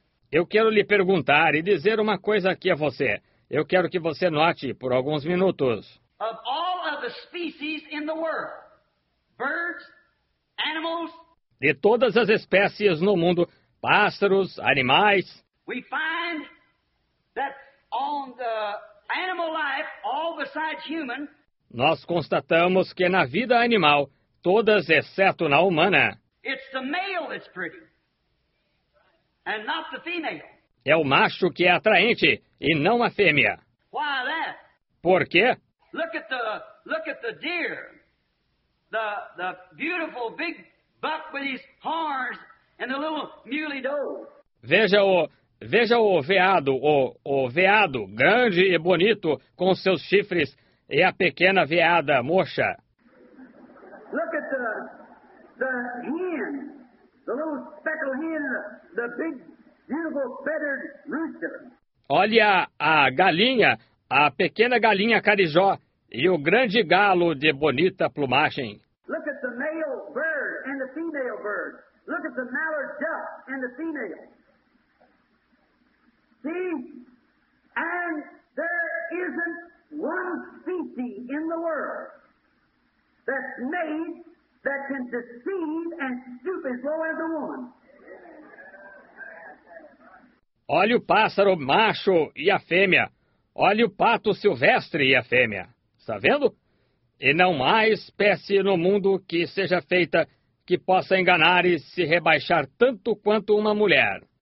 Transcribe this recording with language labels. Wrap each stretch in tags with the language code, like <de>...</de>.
<pt>Eu quero lhe perguntar e dizer uma coisa aqui a você. Eu quero que você note por alguns minutos.</pt> <en>Of all of the species in the world, birds, animals,</en> <pt>de todas as espécies no mundo, pássaros, animais,</pt> <en>we find that on the animal life, all besides human,</en> <pt>nós constatamos que na vida animal, todas exceto na humana,</pt> <en>it's the male that's pretty, and not the female.</en> <pt>É o macho que é atraente e não a fêmea.</pt> <en>Why that?</en> <pt>Por quê?</pt> <en>Look at the deer. The beautiful big buck with his horns and the little muley doe.</en> <pt>Veja o veado grande e bonito com seus chifres e a pequena veada murcha.</pt> <en>Look at the hen. The little speckled hen, the big beautiful feathered rooster.</en> <pt>Olha a galinha, a pequena galinha carijó. E o grande galo de bonita plumagem.</pt> <en>Look at the male bird and the female bird. Look at the mallard duck and the female. See? And there isn't one species in the world that's made that can deceive and stoop as low as a woman.</en> <pt>Olha o pássaro macho e a fêmea. Olha o pato silvestre e a fêmea. Está vendo? E não há espécie no mundo que seja feita que possa enganar e se rebaixar tanto quanto uma mulher.</pt>